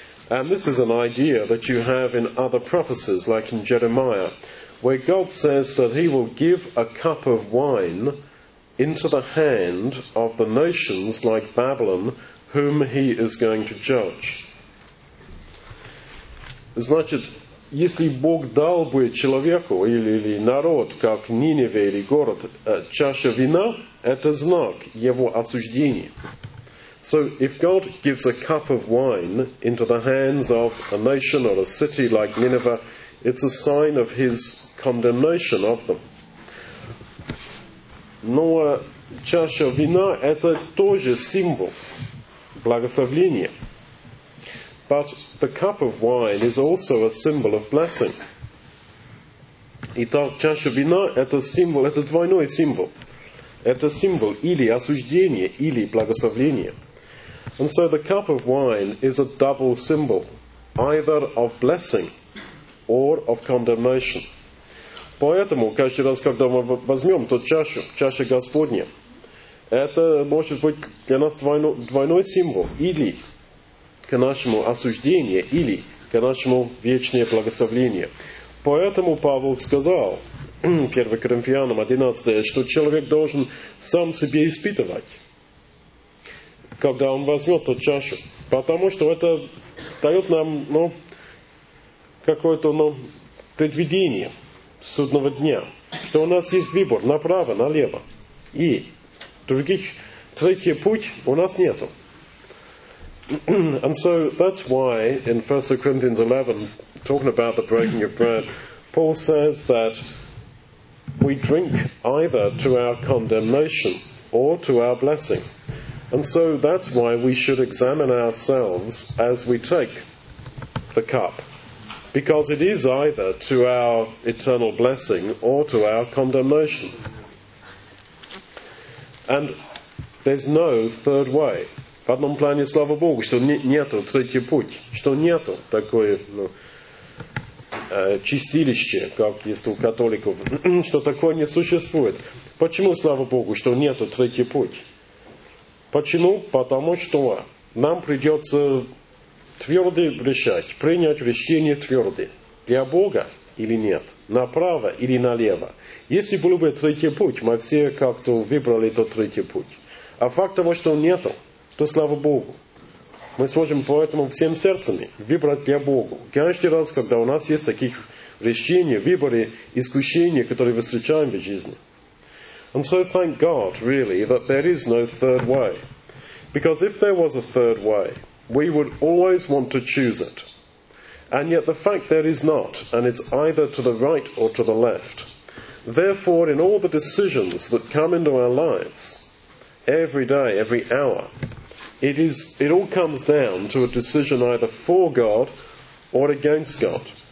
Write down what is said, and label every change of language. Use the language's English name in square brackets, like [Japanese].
[English] And this is an idea that you have in other prophecies, like in Jeremiah, where God says that he will give a cup of wine into the hand of the nations like Babylon, whom he is going to judge. [Russian] Значит, если Бог дал бы человеку или народ, как Ниневе или город, чаша вина, это знак его осуждения. [English] So if God gives a cup of wine into the hands of a nation or a city like Nineveh, it's a sign of his condemnation of them. [Russian] Но чаша вина – это тоже символ благословения. [English] But the cup of wine is also a symbol of blessing. [Russian] Итак, чаша вина – это символ, это двойной символ. Это символ или осуждения, или благословения. [English] And so the cup of wine is a double symbol, either of blessing or of condemnation. [Russian] Поэтому, каждый раз, когда мы возьмем ту чашу, чаша Господня, это может быть для нас двойной символ, или к нашему осуждению, или к нашему вечному благословению. Поэтому Павел сказал, 1 Коринфянам 11, что человек должен сам себе испытывать, когда он возьмет ту чашу, потому что это дает нам какое-то предвидение судного дня, что у нас есть выбор направо, налево, и других, третий путь у нас нету. [English] And so that's why in 1 Corinthians 11, talking about the breaking of bread, Paul says that we drink either to our condemnation or to our blessing. And so that's why we should examine ourselves as we take the cup. Because it is either to our eternal blessing or to our condemnation. And there's no third way. [Russian] В одном плане, слава Богу, что нету третий путь, что нету такое чистилище, как есть у католиков, что такое не существует. Почему, слава Богу, что нету третий путь? Почему? Потому что нам придется твердо решать, принять решение твердо. Для Бога или нет? Направо или налево? Если был бы третий путь, мы все как-то выбрали тот третий путь. А факт того, что нету, то слава Богу. Мы сможем поэтому всем сердцем выбрать для Бога. Каждый раз, когда у нас есть такие решения, выборы, искушения, которые мы встречаем в жизни. [English] And so thank God, really, that there is no third way. Because if there was a third way, we would always want to choose it. And yet the fact there is not, and it's either to the right or to the left. Therefore, in all the decisions that come into our lives, every day, every hour, it all comes down to a decision either for God or against God.